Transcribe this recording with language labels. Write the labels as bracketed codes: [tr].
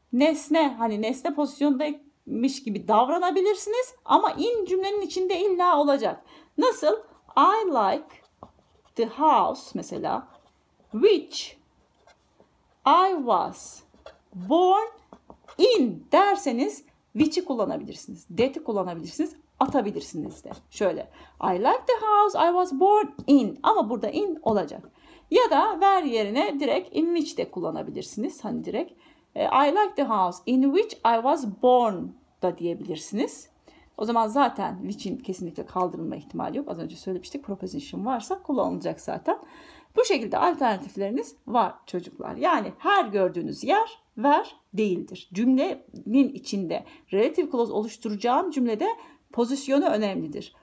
[tr] Nesne, hani nesne pozisyondaymış gibi davranabilirsiniz ama in cümlenin içinde illa olacak. Nasıl? [en] I like the house [tr] mesela [en] which I was born in [tr] derseniz which'i kullanabilirsiniz. That'i kullanabilirsiniz. Atabilirsiniz de. Şöyle. [en] I like the house I was born in. [tr] Ama burada in olacak. Ya da where yerine direkt in which de kullanabilirsiniz. Hani direkt. [en] I like the house in which I was born [tr] da diyebilirsiniz. O zaman zaten which'in kesinlikle kaldırılma ihtimali yok. Az önce söylemiştik. Proposition varsa kullanılacak zaten. Bu şekilde alternatifleriniz var çocuklar. Yani her gördüğünüz yer ver değildir. Cümlenin içinde relative clause oluşturacağım cümlede pozisyonu önemlidir.